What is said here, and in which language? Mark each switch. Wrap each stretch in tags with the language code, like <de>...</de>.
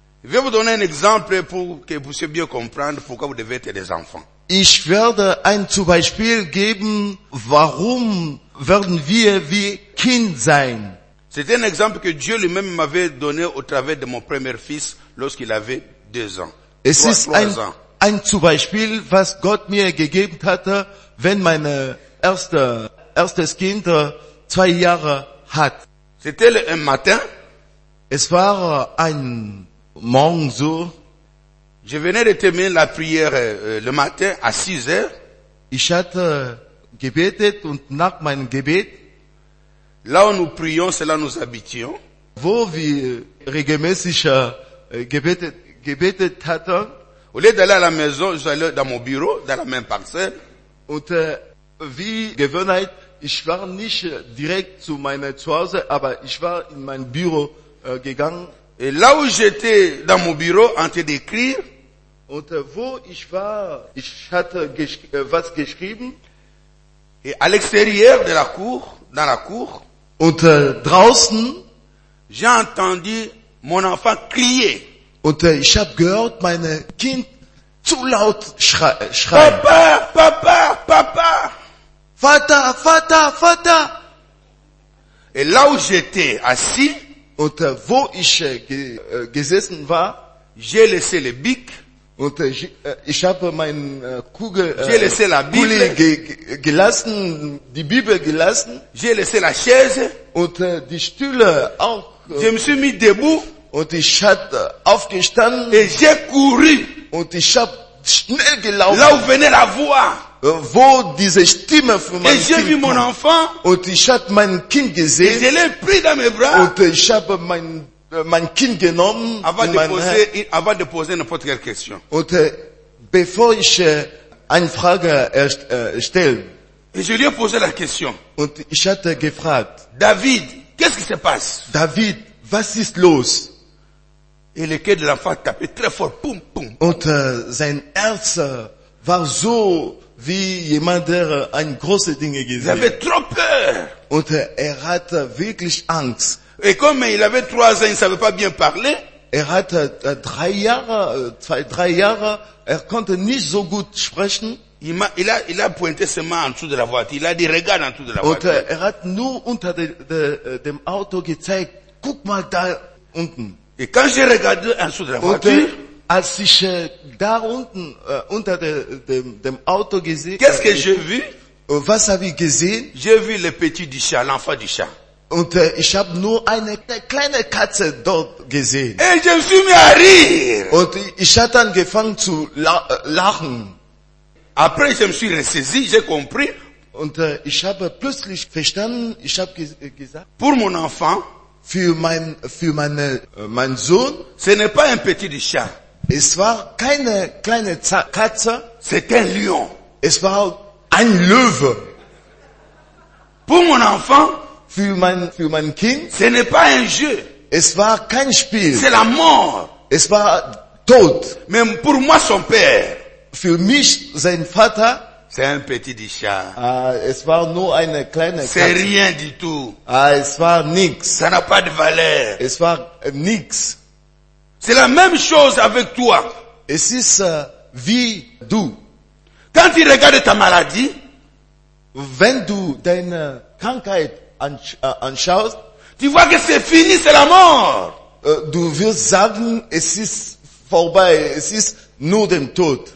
<fr>Je vais vous donner un exemple pour que vous puissiez bien comprendre pourquoi vous devez être des enfants.</fr> <de>Ich werde ein Beispiel geben, warum werden wir wie Kind sein.</de> <fr>C'est un exemple que Dieu lui-même m'avait donné au travers de mon premier fils lorsqu'il avait 2 ans.</fr> <de>Es ist ein Beispiel, was Gott mir gegeben hatte, wenn mein erstes Kind 2 Jahre hat.</de> <fr>C'était un matin.</fr> <de>Es war ein Morgen so.</de> <fr>Je venais de terminer la prière le matin à 6h.</fr> <de>Ich hatte gebetet und nach meinem Gebet.</de> <fr>Là où nous prions, c'est là où nous habitions.</fr> <de>Wo wir regelmäßig gebetet hatten.</de> <fr>Au lieu d'aller à la maison, j'allais dans mon bureau, dans la même parcelle.</fr> <de>Und wie Gewohnheit, ich war nicht direkt zu meinem Zuhause, aber ich war in mein Büro gegangen.</de> <fr>Et là où j'étais dans mon bureau en train d'écrire,</fr> <de>und wo ich war, ich hatte was geschrieben.</de> <fr>Et à l'extérieur de la cour, dans la cour,</fr> <de>und draußen,</de> <fr>j'ai entendu mon enfant crier.</fr> <de>Und ich habe gehört, mein Kind zu laut schreien.</de> <fr>Papa, papa, papa.</fr> <de>Vater, Vater, Vater.</de> <fr>Et là où j'étais assis.</fr> <de>Und wo ich gesessen war,</de> <fr>j'ai laissé le bic.</fr> <de>Und ich habe meine Kugel,</de> <fr>j'ai laissé la Bible,</fr> <de>gelassen, die Bibel gelassen.</de> <fr>J'ai laissé la chaise.</fr> <de>Und die Stühle auch.</de> <fr>Je me suis mis debout.</fr> <de>Und ich hatte aufgestanden.</de> <fr>Et j'ai couru.</fr> <de>Und ich habe schnell gelaufen.</de> <fr>Là où venait la voix.</fr> <de>Wo diese Stimme von meinem Kind.</de> <fr>Et j'ai vu mon enfant.</fr> <de>Und ich hab mein Kind gesehen.</de> <fr>Et je l'ai pris dans mes bras.</fr> <de>Und ich hab mein Kind genommen.</de> <fr>Avant de poser n'importe quelle question.</fr> <de>Und bevor ich eine Frage stelle.</de> <fr>Et je lui ai posé la question.</fr> <de>Und ich hatte gefragt.</de> <fr>David, qu'est-ce qui se passe?</fr> <de>David, was ist los?</de> <fr>Et le cœur de l'enfant tapait très fort. Poum, poum.</fr> <de>Und sein Herz war so, wie jemand, der ein großes Ding gesehen hat.</de> <fr>Il avait trop peur.</fr> <de>Und er hatte wirklich Angst.</de> <fr>Et comme il avait 3 ans, il ne savait pas bien parler.</fr> <de>Er hatte 2-3 Jahre, er konnte nicht so gut sprechen.</de> <fr>Il a pointé ses mains en dessous de la voiture. Il a dit, regarde en dessous de la</fr> <de>und</de> <fr>voiture.</fr> <de>Und er hat nur unter dem Auto gezeigt, guck mal da unten.</de> <fr>Et quand j'ai regardé en dessous de la voiture,</fr> <de>als ich da unten unter dem Auto gesehen,</de> <fr>qu'est-ce que j'ai vu?</fr> <de>Was habe ich gesehen?</de> <fr>J'ai vu le petit du chat, l'enfant du chat.</fr> <de>Und ich habe nur eine kleine Katze dort gesehen.</de> <fr>Et je me suis mis à rire.</fr> <de>Und ich hatte angefangen zu lachen.</de> <fr>Après, je me suis ressaisi, j'ai compris.</fr> <de>Und ich habe plötzlich verstanden. Ich habe gesagt,</de> <fr>pour mon enfant.</fr> <de>Für mein Sohn.</de> <fr>Ce n'est pas un petit chat.</fr> <de>Es war keine kleine Katze.</de> <fr>C'est un lion.</fr> <de>Es war ein Löwe.</de> <fr>Pour mon enfant.</fr> <de>Für mein Kind.</de> <fr>Ce n'est pas un jeu.</fr> <de>Es war kein Spiel.</de> <fr>C'est la mort.</fr> <de>Es war Tod.</de> <fr>Même pour moi son père.</fr> <de>Für mich sein Vater.</de> <fr>C'est un petit chat.</fr> <de>Es war nur eine kleine Katze.</de> <fr>C'est rien du tout.</fr> <de>Es war nix.</de> <fr>Ça n'a pas de valeur.</fr> <de>Es war nix.</de> <fr>C'est la même chose avec toi.</fr> <de>Es ist wie du.</de> <fr>Quand tu regardes ta maladie,</fr> <de>wenn du deine Krankheit anschaust,</de> <fr>tu vois que c'est fini, c'est la mort.</fr> <de>Du wirst sagen, es ist vorbei, es ist nur dem Tod.</de>